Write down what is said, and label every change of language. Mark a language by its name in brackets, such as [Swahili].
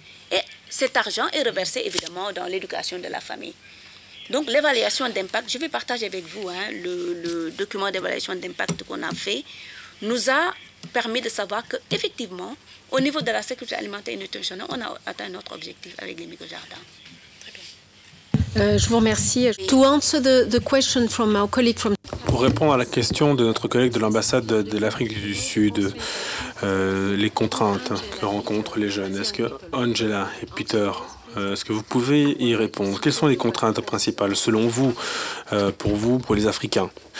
[French] Et cet argent est reversé évidemment dans l'éducation de la famille. Donc l'évaluation d'impact, je vais partager avec vous hein, le document d'évaluation d'impact qu'on a fait, nous a permis de savoir qu'effectivement, au niveau de la sécurité alimentaire et nutritionnelle, on a atteint notre objectif avec les microjardins. Je vous remercie. [English] To answer the question from our colleague from... [French] Pour répondre à la question de notre collègue de l'ambassade de l'Afrique du Sud, les contraintes que rencontrent les jeunes, est-ce que Angela et Peter, est-ce que vous pouvez y répondre? Quelles sont les contraintes principales, selon vous, pour vous, pour les Africains?